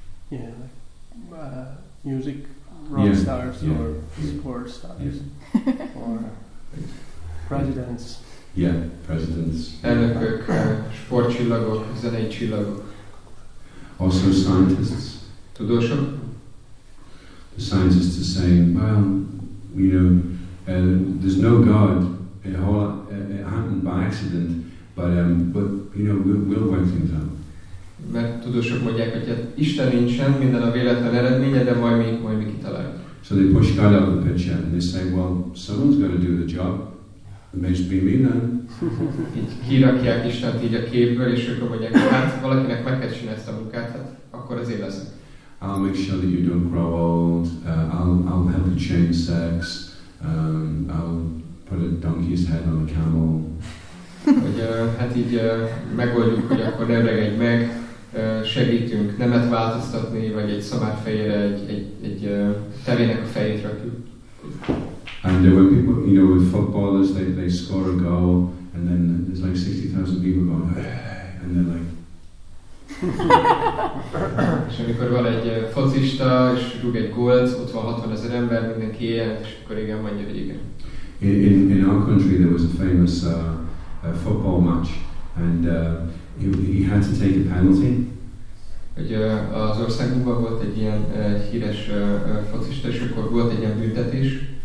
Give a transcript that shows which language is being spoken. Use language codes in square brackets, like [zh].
[en] Yeah, like music, rock stars, or sports stars, or presidents. Yeah, presidents. [hu] Elnökök, sportcsillagok, zenei csillagok. [en] Also scientists. [hu] Tudósok. [en] The scientists are saying, well, there's no God. It happened by accident, but we'll work things out. [hu] Mert tudósok mondják, hogy Isten nincsen, minden a véletlen eredménye, de majd mi kitaláljuk. [en] So they push God out of the picture and they say, well, someone's going to do the job. It may be me then. [hu] Így kirakják Istent így a képből, és akkor mondják, hát valakinek meg kell csinálni ezt a munkát, hát akkor az én leszek. [en] I'll make sure that you don't grow old. I'll help you change sex. I'll put a donkey's head on a camel. [hu] Hogy hát így megoldjuk, hogy akkor ne öregedj meg, segítünk nemet változtatni, vagy egy szamár fejére egy tevének a fejét rakjuk. [en] And when people, with footballers, they score a goal, and then there's like 60,000 people going, and they're like. [hu] És amikor van egy focista, és rúg egy gólt, ott van 60,000 ember, mindenki élet, és akkor igen, mondja, hogy igen. [en] In our country there was a famous football match, and he had to take a penalty. [hu] Hogy az országunkban volt egy ilyen híres focista, és akkor volt egy ilyen büntetés.